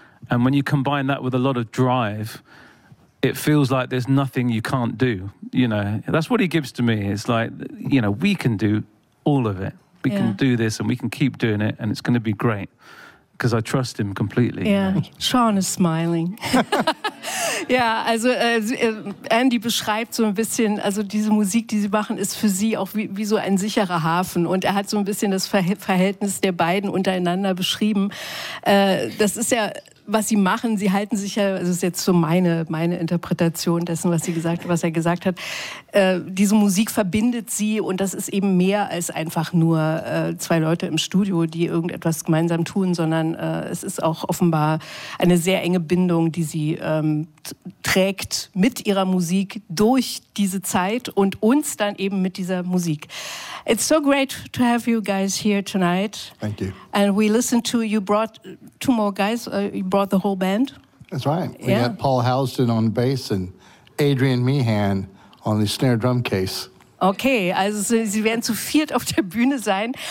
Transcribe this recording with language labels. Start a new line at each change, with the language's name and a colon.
English: And when you combine that with a lot of drive, it feels like there's nothing you can't do. You know, that's what he gives to me. It's like, you know, we can do all of it. We can do this and we can keep doing it and it's going to be great. Because I trust him completely. Yeah, you know? Sean is smiling.
German: Ja, also Andy beschreibt so ein bisschen, also diese Musik, die sie machen, ist für sie auch wie so ein sicherer Hafen. Und er hat so ein bisschen das Verhältnis der beiden untereinander beschrieben. Das ist ja, was sie machen, sie halten sich ja, das ist jetzt so meine Interpretation dessen, was er gesagt hat, diese Musik verbindet sie und das ist eben mehr als einfach nur zwei Leute im Studio, die irgendetwas gemeinsam tun, sondern es ist auch offenbar eine sehr enge Bindung, die sie trägt mit ihrer Musik durch diese Zeit und uns dann eben mit dieser Musik.
English: It's so great to have you guys here tonight. Thank you. And we listened to, you brought two more guys, you brought the whole band. That's right. We got Paul Houston on bass and Adrian Meehan on the snare drum case.
German: Okay, also sie werden zu viert auf der Bühne sein.